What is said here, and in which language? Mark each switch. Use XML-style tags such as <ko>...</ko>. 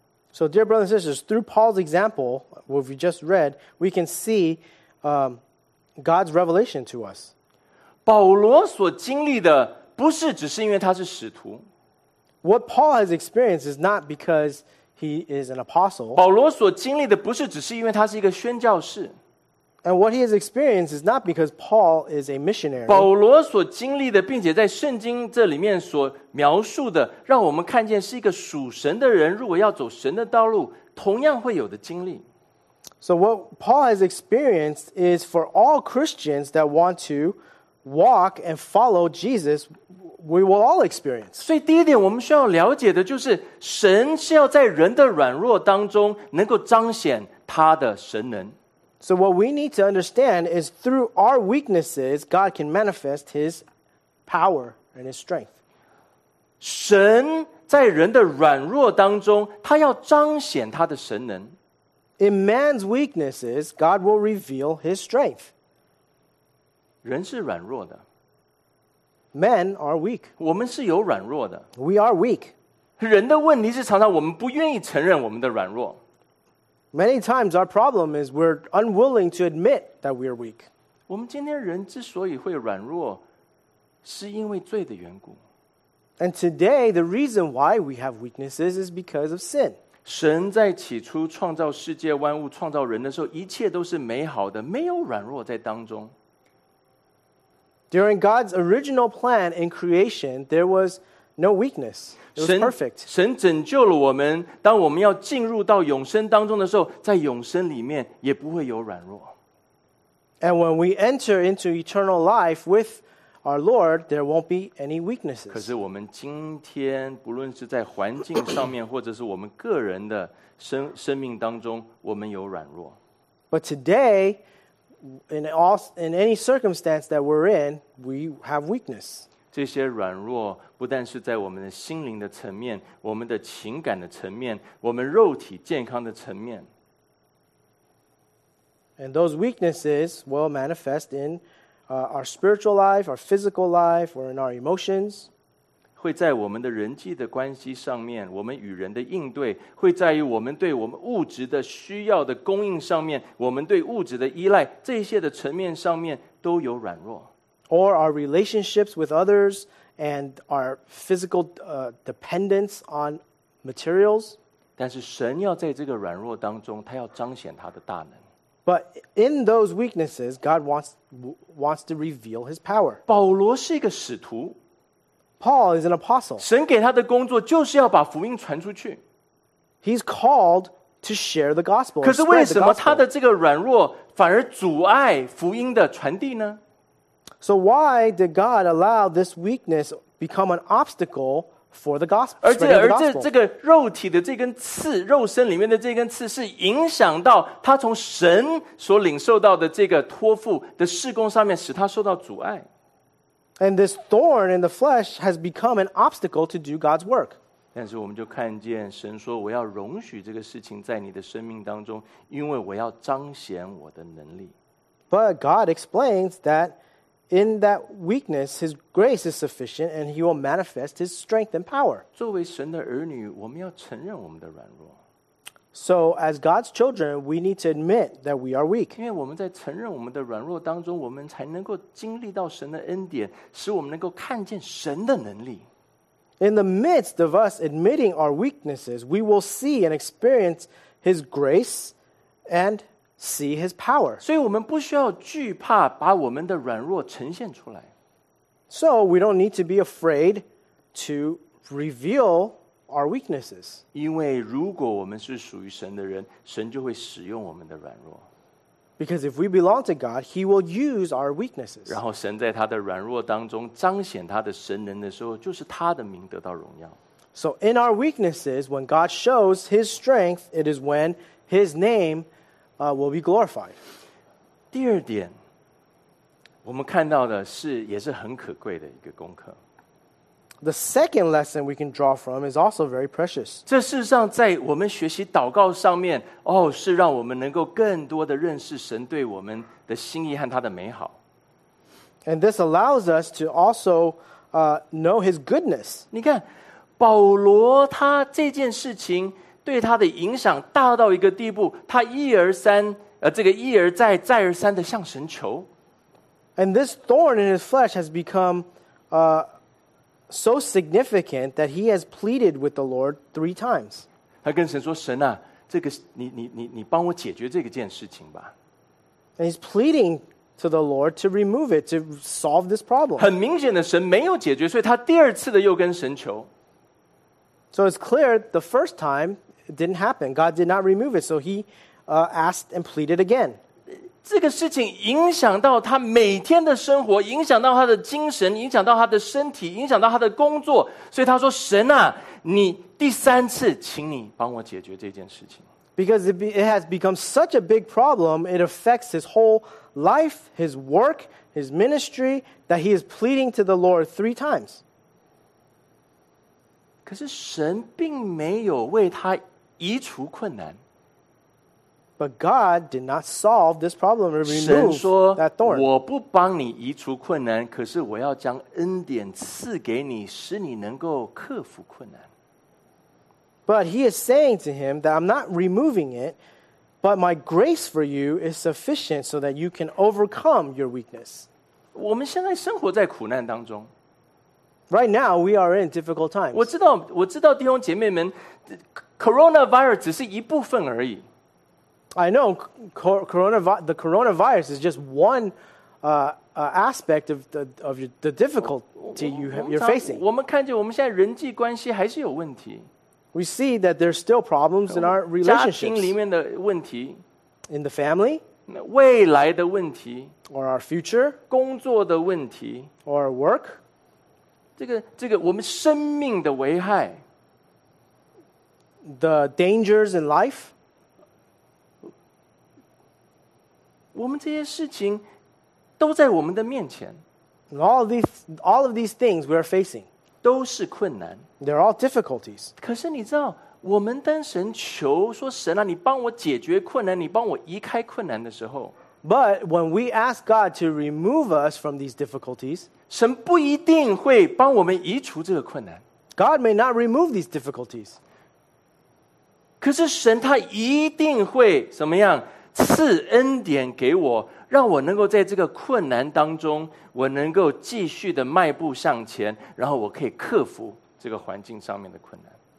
<en>So dear brothers and sisters, through Paul's example, what we just read, we can see God's revelation to us.</en> <zh>保罗所经历的不是只是因为他是使徒。</zh> <en>What Paul has experienced is not because he is an apostle.</en> <zh>保罗所经历的不是只是因为他是一个宣教士。</zh> <en>And what he has experienced is not because Paul is a missionary.</en> <zh>保罗所经历的并且在圣经这里面所描述的让我们看见是一个属神的人如果要走神的道路同样会有的经历。</zh> <en>So what Paul has experienced is for all Christians that want to walk and follow Jesus, we will all experience.</en> <zh>所以第一点我们需要了解的就是神是要在人的软弱当中能够彰显他的神能。</zh> <en>So what we need to understand is through our weaknesses, God can manifest His power and His strength.</en> <zh>神在人的软弱当中，他要彰显他的神能。</zh> <en>In man's weaknesses, God will reveal His strength.</en> <zh>人是软弱的。</zh> <en>Men are weak.</en> <zh>我们是有软弱的。</zh> <en>We are weak.</en> <zh>人的问题是常常我们不愿意承认我们的软弱。</zh> <en>Many times our problem is we're unwilling to admit that we are weak.</en> <zh>我们今天人之所以会软弱，是因为罪的缘故。</zh> <en>And today, the reason why we have weaknesses is because of sin.</en> <zh>神在起初创造世界万物、创造人的时候，一切都是美好的，没有软弱在当中。</zh> <en>During God's original plan in creation, there was no weakness. It was perfect.</en> <zh>神拯救了我们，当我们要进入到永生当中的时候，在永生里面也不会有软弱。</zh> <en>And when we enter into eternal life with our Lord, there won't be any weaknesses.</en> <zh>可是我们今天，不论是在环境上面，或者是我们个人的生命当中，我们有软弱。</zh> <en>But today, in any circumstance that we're in, we have weakness.</en> <zh>这些软弱不但是在我们的心灵的层面，我们的情感的层面，我们肉体健康的层面。</zh> <en>And those weaknesses will manifest in our spiritual life, our physical life, or in our emotions.</en> <zh>会在我们的人际的关系上面，我们与人的应对，会在于我们对我们物质的需要的供应上面，我们对物质的依赖，这些的层面上面都有软弱。</zh> <en>Or our relationships with others and our physical dependence on materials.</en> <zh>但是神要在这个软弱当中，他要彰显他的大能。</zh> <en>But in those weaknesses, God wants to reveal His power.</en> <zh>保罗是一个使徒。</zh> <en>Paul is an apostle.</en> <zh>神给他的工作就是要把福音传出去。</zh> <en>He's called to share the gospel.</en> <zh>可是为什么他的这个软弱反而阻碍福音的传递呢？</zh> <en>So why did God allow this weakness become an obstacle for the gospel?</en> <zh>而这个肉体的这根刺，肉身里面的这根刺，是影响到他从神所领受到的这个托付的事工上面，使他受到阻碍。</zh> <en>And this thorn in the flesh has become an obstacle to do God's work.</en> <zh>但是我们就看见神说，我要容许这个事情在你的生命当中，因为我要彰显我的能力。</zh> <en>But God explains that in that weakness, His grace is sufficient, and He will manifest His strength and power.</en> <zh>作为神的儿女，我们要承认我们的软弱。</zh> <en>So, as God's children, we need to admit that we are weak.</en> <zh>因为我们在承认我们的软弱当中，我们才能够经历到神的恩典，使我们能够看见神的能力。</zh> <en>In the midst of us admitting our weaknesses, we will see and experience His grace and see His power.</en> <zh>所以我们不需要惧怕把我们的软弱呈现出来。</zh> <en>So we don't need to be afraid to reveal our weaknesses.</en> <zh>因为如果我们是属于神的人，神就会使用我们的软弱。</zh> <en>Because if we belong to God, He will use our weaknesses.</en> <zh>然后神在他的软弱当中彰显他的神能的时候，就是他的名得到荣耀。</zh> <en>So in our weaknesses, when God shows His strength, it is when His name will be glorified.</en> <zh>第二点，我们看到的是也是很可贵的一个功课。</zh> <en>The second lesson we can draw from is also very precious.</en> <zh>这事实上在我们学习祷告上面，是让我们能够更多的认识神对我们的心意和他的美好。</zh> <en>And this allows us to also know His goodness.</en> <zh>你看，保罗他这件事情对他的影响大到一个地步，他一而三，这个一而再，再而三的向神求。</zh> <en>And this thorn in his flesh has become so significant that he has pleaded with the Lord three times.</en> <zh>他跟神说：“神啊，这个你帮我解决这个件事情吧。”</zh> <en>And he's pleading to the Lord to remove it, to solve this problem.</en> <zh>很明显的，神没有解决，所以他第二次的又跟神求。</zh> <en>So it's clear the first time it didn't happen. God did not remove it. So he asked and pleaded again.</en> <zh>这个事情影响到他每天的生活，影响到他的精神，影响到他的身体，影响到他的工作。所以他说，神啊，你第三次请你帮我解决这件事情。</zh> <en>Because it has become such a big problem, it affects his whole life, his work, his ministry, that he is pleading to the Lord three times.</en> <zh>可是神并没有为他移除困难。</zh> <en>But God did not solve this problem or remove that thorn.</en> <zh>神说，我不帮你移除困难，可是我要将恩典赐给你，使你能够克服困难。</zh> <en>But he is saying to him that I'm not removing it, But my grace for you is sufficient so that you can overcome your weakness.</en> <zh>我们现在生活在苦难当中。</zh> <en>Right now, we are in difficult times.</en> <zh>我知道弟兄姐妹们 coronavirus 只是一部分而已。</zh> <en>I know, the coronavirus is just one aspect of the difficulty you're facing.</en> <zh>我们看见我们现在人际关系还是有问题。</zh> <en>We see that there's still problems in our relationships.</en> <zh>家庭里面的问题。</zh> <en>In the family.</en> <zh>未来的问题。</zh> <en>Or our future.</en> <zh>工作的问题。</zh> <en>Or our work.</en> <zh>这个我们生命的危害。</zh> <en>The dangers in life.</en> <zh>我们这些事情都在我们的面前。</zh> <en>All of these things we are facing.</en> <zh>都是困难。</zh> <en>They're all difficulties.</en> <zh>可是你知道我们当神求说神啊你帮我解决困难你帮我移开困难的时候。</zh> <en>But when we ask God to remove us from these difficulties,</en> <zh>神不一定会帮我们移除这个困难。</zh> <en>God may not remove these difficulties.</en> <zh>可是神他一定会怎么样赐恩典给我，让我能够在这个困难当中，我能够继续的迈步向前，然后我可以克服这个环境上面的困难。</zh>